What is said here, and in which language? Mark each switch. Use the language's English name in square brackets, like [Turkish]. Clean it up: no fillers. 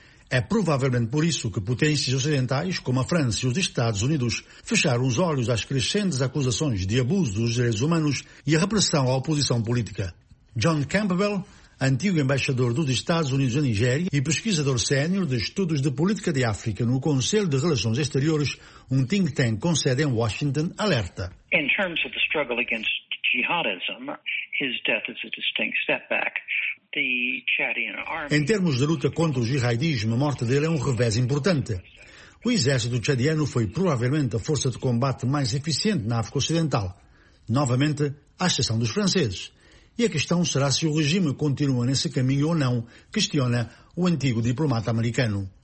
[Portuguese] É provavelmente por isso que potências ocidentais, como a França e os Estados Unidos, fecharam os olhos às crescentes acusações de abuso dos direitos humanos e a repressão à oposição política. John Campbell, antigo embaixador dos Estados Unidos na Nigéria e pesquisador sénior de estudos de política de África no Conselho de Relações Exteriores, um think tank com sede em Washington, alerta. [English] In terms of the struggle against jihadism, his death is a distinct setback. The Chadian army. [Portuguese] Em termos de luta contra o jihadismo, a morte dele é um revés importante. O exército chadiano foi provavelmente a força de combate mais eficiente na África Ocidental, novamente à exceção dos franceses. E a questão será se o regime continua nesse caminho ou não, questiona o antigo diplomata americano.